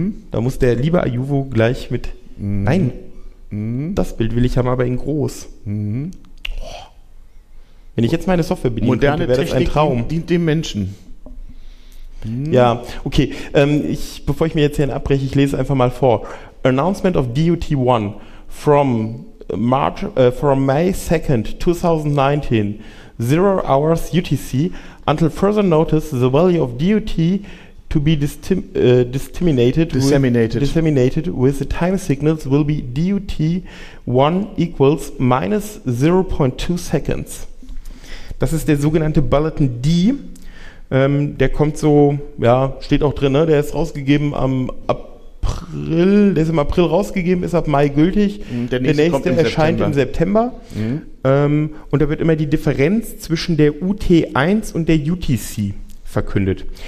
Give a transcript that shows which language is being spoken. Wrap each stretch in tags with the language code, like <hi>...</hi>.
<de>Da muss der liebe Ayuvo gleich mit... Nein, das Bild will ich haben, aber in groß. Wenn ich jetzt meine Software bedienen könnte, wäre das ein Traum. Moderne Technik dient dem Menschen. Ja, okay. Bevor ich mir jetzt hier abbreche, ich lese einfach mal vor.</de> <en>Announcement of BOT 1 from May 2nd, 2019, 0 hours UTC, until further notice, the value of BOT to be disseminated with the time signals will be DUT 1 equals minus 0.2 seconds.</en> <de>Das ist der sogenannte Bulletin D. Der kommt so, ja, steht auch drin, ne? Der ist rausgegeben am April, der ist im April rausgegeben, ist ab Mai gültig. Der nächste kommt erscheint im September. Mhm. Und da wird immer die Differenz zwischen der UT1 und der UTC verkündet.</de>